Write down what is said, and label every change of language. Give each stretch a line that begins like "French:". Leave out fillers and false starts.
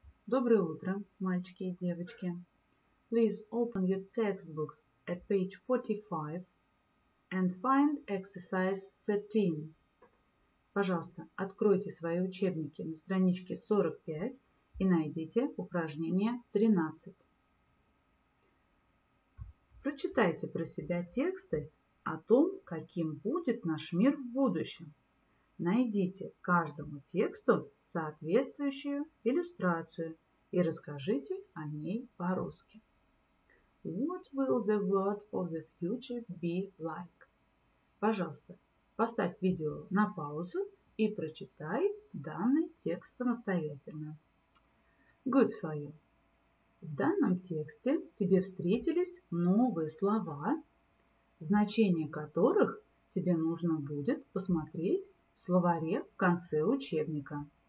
Russian: Доброе утро, мальчики и девочки.
English: Please open your textbooks at page 45 and find exercise 13.
Russian: Пожалуйста, откройте свои учебники на страничке 45 и найдите упражнение 13. Прочитайте про себя тексты о том, каким будет наш мир в будущем. Найдите каждому тексту соответствующую иллюстрацию и расскажите о ней по-русски.
English: What will the world of the future be like?
Russian: Пожалуйста, поставь видео на паузу и прочитай данный текст самостоятельно.
English: Good for you.
Russian: В данном тексте тебе встретились новые слова, значение которых тебе нужно будет посмотреть в словаре в конце учебника.